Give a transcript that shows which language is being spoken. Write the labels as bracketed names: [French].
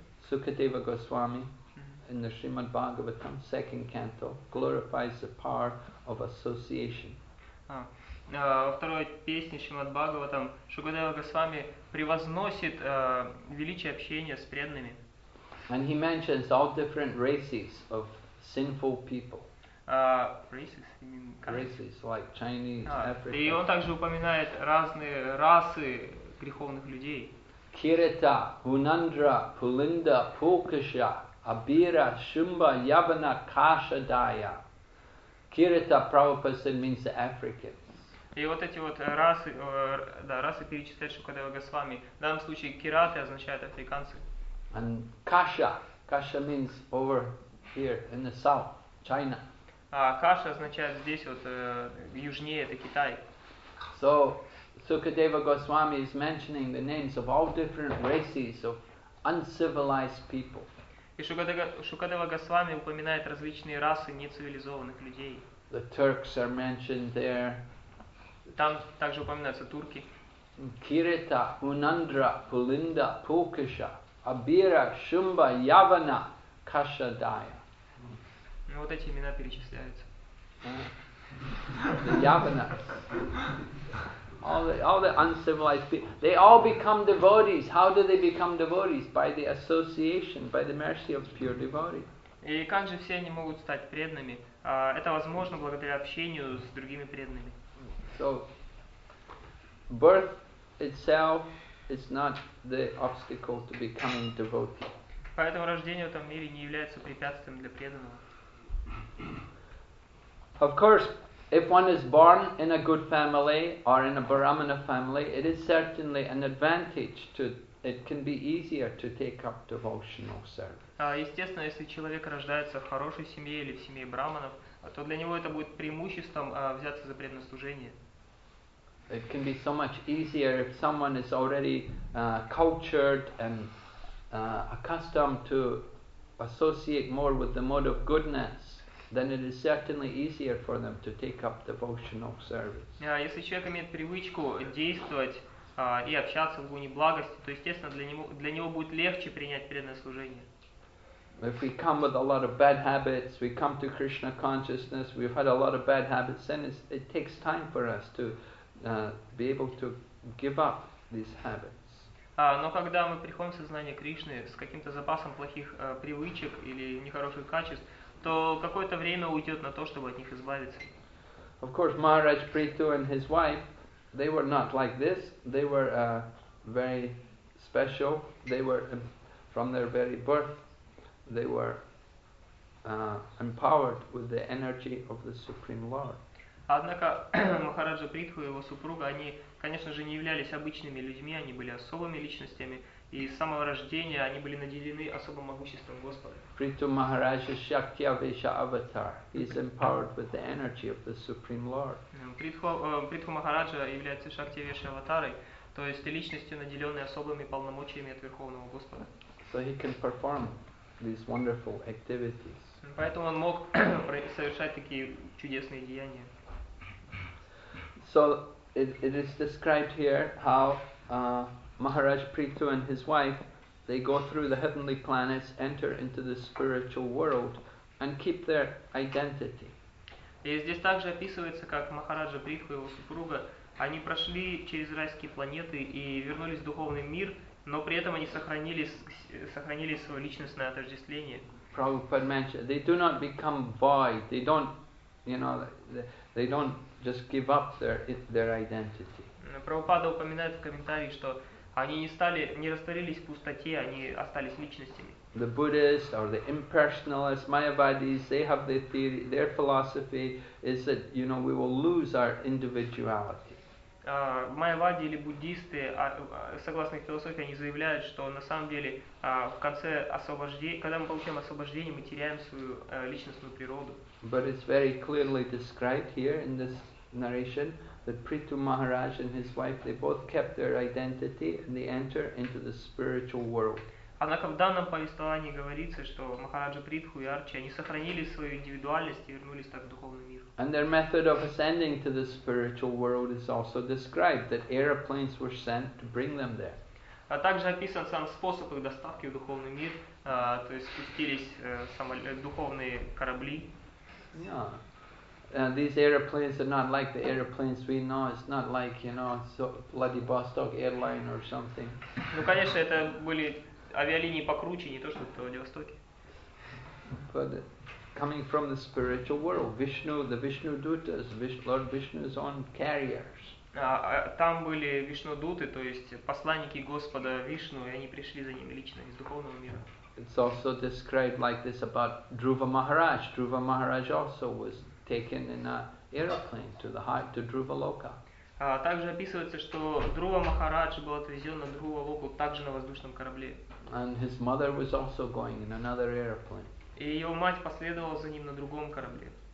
[English] Sukadeva Goswami in the Srimad Bhagavatam, second canto, glorifies the power of association. [Russian] Во второй песне Шримад Бхагаватам Шукадева Госвами превозносит величие общения с преданными. [English] And he mentions all different races of sinful people. Races? You mean races, like Chinese, African. [Russian] И он также упоминает разные расы греховных людей. Кирита, Унандра, Пулинда, Пулкаша, Абира, Шумба, Явана, Кашадая. [English] Кирита, Prabhupada said, means the African. [Russian] И вот эти вот расы, да, расы перечисляют Шукадева Госвами. В данном случае кираты означают африканцы. [English] And Kasha. Kasha means over here in the south, China. [Russian] Kasha означает здесь вот южнее, это Китай. [English] So, Sukadeva Goswami is mentioning the names of all different races of uncivilized people. [Russian] И Шукадева Госвами упоминает различные расы нецивилизованных людей. [English] The Turks are mentioned there. [Russian] Там также упоминаются турки. Кирита, Унандра, Пулинда, Пулкаша, Абира, Шумба, Явана, Кашадая. Ну вот эти имена перечисляются. [English] Явана. All the uncivilized people. They all become devotees. How do they become devotees? By the association, by the mercy of pure devotees. [Russian] И как же все они могут стать преданными? Это возможно благодаря общению с другими преданными. [English] So, birth itself is not the obstacle to becoming devotee. [Russian] Поэтому рождение в этом мире не является препятствием для преданного. [English] Of course, if one is born in a good family or in a brahmana family, it is certainly an advantage to. It can be easier to take up devotional service. [Russian] Естественно, если человек рождается в хорошей семье или в семье брахманов, то для него это будет преимуществом взяться за преданное служение. [English] It can be so much easier if someone is already cultured and accustomed to associate more with the mode of goodness, then it is certainly easier for them to take up devotional service. [Russian] Если человек имеет привычку действовать и общаться в гуне благости, то, естественно, для него будет легче принять преданное служение. [English] If we come with a lot of bad habits, we come to Krishna consciousness, we've had a lot of bad habits, then it takes time for us to be able to give up these habits. [Russian] Но когда мы приходим в сознание Кришны с каким-то запасом плохих привычек или нехороших качеств, то какое-то время уйдет на то, чтобы от них избавиться. [English] Of course, Maharaj Prithu and his wife, they were not like this. They were very special. They were from their very birth. they were empowered with the energy of the Supreme Lord. [Russian] Однако Махараджа Притху и его супруга, они, конечно же, не являлись обычными людьми, они были особыми личностями, и с самого рождения они были наделены особым могуществом Господа. [English] Притху Махараджа Шактья Веша Аватар, he is empowered with the energy of the Supreme Lord. [Russian] Притху Махараджа является Шактья Веша Аватарой, то есть личностью, наделенной особыми полномочиями от Верховного Господа. [English] So he can perform these wonderful activities. [Russian] Поэтому он мог совершать такие чудесные деяния. [English] So it is described here how Maharaj Prithu and his wife, they go through the heavenly planets, enter into the spiritual world, and keep their identity. [Russian] И здесь также описывается, как Махараджа Притху и его супруга, они прошли через райские планеты и вернулись в духовный мир, но при этом они сохранили свое личностное отождествление. [English] Prabhupada mentioned, they do not become void, they don't, you know, they don't just give up their identity. [Russian] Прабхупада упоминает в комментарии, что они не растворились в пустоте, они остались личностями. [English] The Buddhists or the impersonalists, Mayavadis, they have their theory, their philosophy is that, you know, we will lose our individuality. [Russian] Майявади или буддисты, согласно их философии, они заявляют, что на самом деле в конце освобождения, когда мы получаем освобождение, мы теряем свою личностную природу. [English] But it's very clearly described here in this narration that Prithu Maharaj and his wife, they both kept their identity and they enter into the spiritual world. [Russian] Однако в данном повествовании говорится, что Махараджа Притху и Арчи, они сохранили свою индивидуальность и вернулись так в духовный мир. [English] And their method of ascending to the spiritual world is also described, that airplanes were sent to bring them there. [Russian] А также описан сам способ их доставки в духовный мир, то есть спустились духовные корабли. [English] Yeah. These airplanes are not like the airplanes we know. It's not like, you know, Vladivostok airline or something. [Russian] Ну, конечно, это были авиалинии покруче, не то что в Владивостоке. [English] But coming from the spiritual world, Vishnu, the Vishnu Dutas, Lord Vishnu's own carriers. [Russian] Там были Вишну Дуты, то есть посланники Господа Вишну, и они пришли за ними лично из духовного мира. [English] It's also described like this about Dhruva Maharaj. Dhruva Maharaj also was taken in an airplane to Dhruva Loka. [Russian] Также описывается, что Друва Махарадж был отвезен на Друва Локу также на воздушном корабле. [English] And his mother was also going in another airplane. [Russian] И его мать последовала за ним на другом корабле.